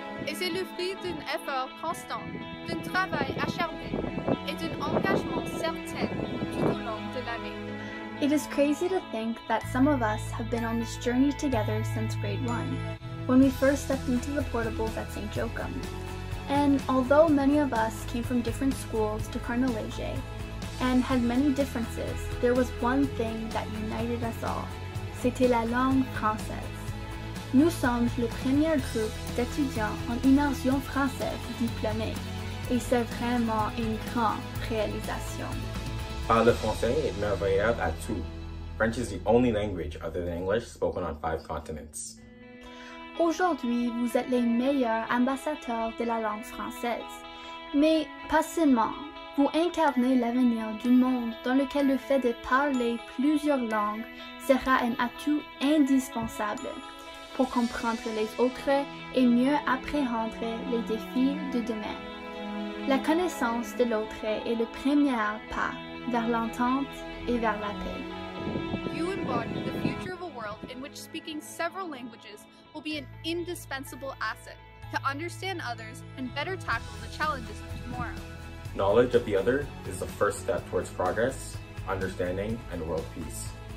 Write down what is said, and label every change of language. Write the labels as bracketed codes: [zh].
[fr] Et c'est le fruit d'un effort constant, d'un travail acharné et d'un engagement certain tout au long de l'année. [en] It is crazy to think that some of us have been on this journey together since grade one, when we first stepped into the portables at St. Joachim. And although many of us came from different schools to Cardinal Leger and had many differences, there was one thing that united us all. [fr] C'était la langue française. Nous sommes le premier groupe d'étudiants en immersion française diplômés, et c'est vraiment une grande réalisation. Parler français est merveilleux à tous. French is the only language other than English spoken on 5 continents. Aujourd'hui, vous êtes les meilleurs ambassadeurs de la langue française. Mais pas seulement. Vous incarnez l'avenir du monde dans lequel le fait de parler plusieurs langues sera un atout indispensable pour comprendre les autres et mieux appréhendre les défis de demain. La connaissance de l'autre est le premier pas vers l'entente et vers la paix. [en] You embody the future of a world in which speaking several languages will be an indispensable asset to understand others and better tackle the challenges of tomorrow. Knowledge of the other is the first step towards progress, understanding, and world peace.